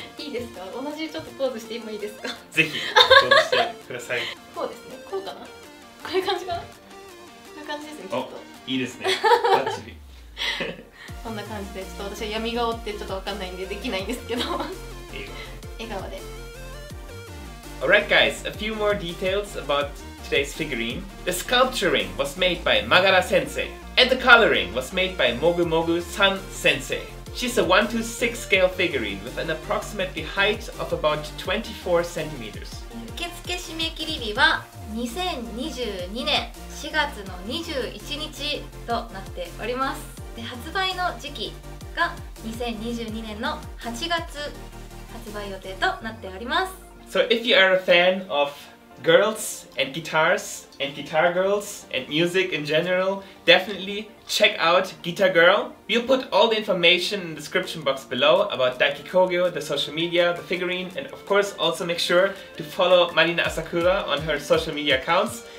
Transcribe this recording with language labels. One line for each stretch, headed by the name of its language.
Japanese: いいですか、同じちょっとポーズして今いいですか。ぜひポーズしてください。こうですね、こうかな、こういう感じかな、こういう感じですね、ちょっといいですね、バッチリ。こんな感じで、ちょっと私は闇顔ってちょっと分かんないんでできないんですけど。笑顔で。
English: Alright guys, a few more details about today's figurine. The sculpturing was made by Ma.ga.ra sensei, and the coloring was made by もぐもぐさん sensei. She's a 1 to 6 scale figurine with an approximately height of about 24 centimeters.
Japanese: 受付締め切り日は2022年4月の21日となっております。で発売の時期が2022年の8月発売予定となっております。
English: So if you are a fan of girls and guitars and guitar girls and music in general, definitelyCheck out Guitar Girl. We'll put all the information in the description box below about Daikikougyou, the social media, the figurine, and of course also make sure to follow Marina Asakura on her social media accounts.